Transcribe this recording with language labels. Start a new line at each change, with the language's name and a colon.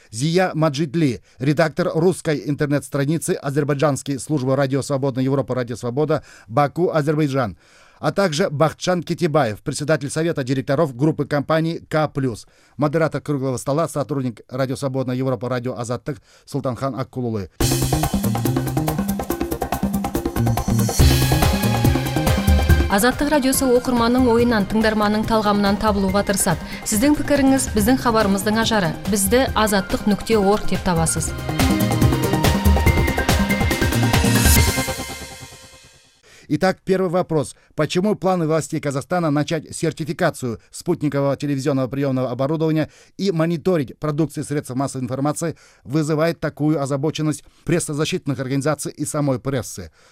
Russian: Зия Маджидли, редактор русской интернет-страницы азербайджанской службы «Радио Свободна Европа», «Радио Свобода», Баку, Азербайджан. А также Бахтжан Кетибаев, председатель совета директоров группы компаний «К+». Модератор круглого стола, сотрудник «Радио Свободная Европа», «Радио Азаттык» Сұлтанхан Аққұлұлы.
Kazakh: Азаттық радиосы оқырманның ойынан, тыңдарманның талғамынан табылуға тырысады. Сіздің пікіріңіз біздің хабарымыздың ажары. Бізді azattik.org деп табасыз.
Russian: Итак, первый вопрос. Почему планы властей Казахстана начать сертификацию спутникового телевизионного приемного оборудования и мониторить продукции средств массовой информации вызывает такую озабоченность прессозащитных организаций и самой прессы?